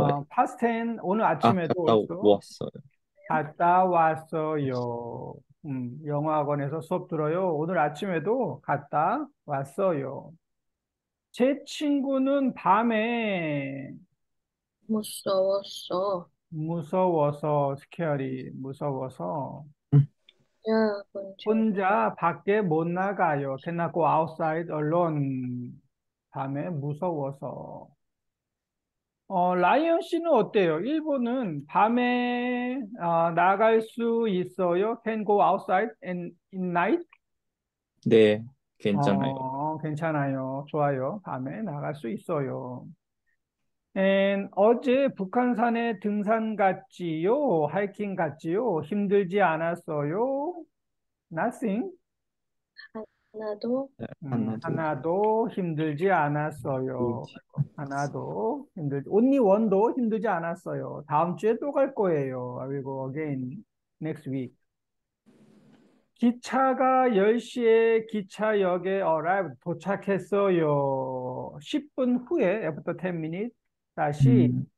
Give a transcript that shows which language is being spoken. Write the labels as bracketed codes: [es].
[en] past tense [ko] 오늘 아침에도 [en] also [ko] 왔어요. 갔다 왔어요. 영어 학원에서 수업 들어요. 오늘 아침에도 갔다 왔어요. 제 친구는 밤에 무서웠어. 무서워서, scary, 무서워서 야, 언제 혼자 밖에 못 나가요. [en] Cannot go outside alone. [ko] 밤에 무서워서. 라이언 씨는 어때요? 일본은 밤에 나갈 수 있어요? [en] Can go outside in night? [ko] 네, 괜찮아요. 괜찮아요. 좋아요. 밤에 나갈 수 있어요. And 어제 북한산에 등산 갔지요? 하이킹 갔지요? 힘들지 않았어요? Nothing? 하나도 하나도 힘들지 않았어요. 그렇지. 하나도 힘들지, [en] only one [ko] 도 힘들지 않았어요. 다음 주에 또갈 거예요. [en] I will go again next week. [ko] 기차가 10시에 기차역에 arrived, 도착했어요. 10분 후에 [en] after 10 minutes [ko] 다시